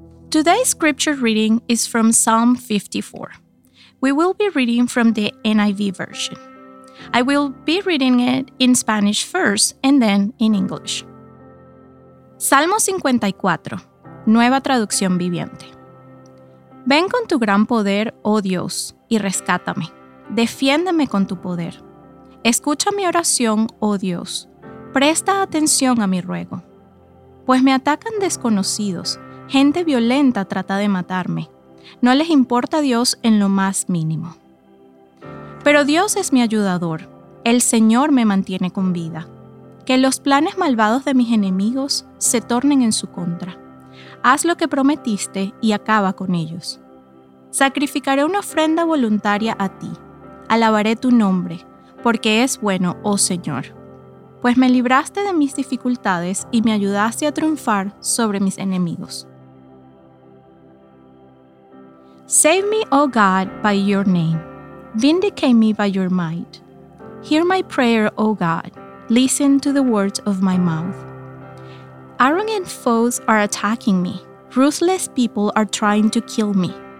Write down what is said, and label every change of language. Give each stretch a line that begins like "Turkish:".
English: Today's scripture reading is from Psalm 54. We will be reading from the NIV version. I will be reading it in Spanish first and then in English.
Spanish: Salmo 54, Nueva Traducción Viviente. Ven con tu gran poder, oh Dios, y rescátame. Defiéndeme con tu poder. Escucha mi oración, oh Dios. Presta atención a mi ruego. Pues me atacan desconocidos. Gente violenta trata de matarme. No les importa a Dios en lo más mínimo. Pero Dios es mi ayudador. El Señor me mantiene con vida. Que los planes malvados de mis enemigos se tornen en su contra. Haz lo que prometiste y acaba con ellos. Sacrificaré una ofrenda voluntaria a ti. Alabaré tu nombre, porque es bueno, oh Señor. Pues me libraste de mis dificultades y me ayudaste a triunfar sobre mis enemigos.
English: Save me, O God, by your name. Vindicate me by your might. Hear my prayer, O God. Listen to the words of my mouth. Arrogant foes are attacking me. Ruthless people are trying to kill me.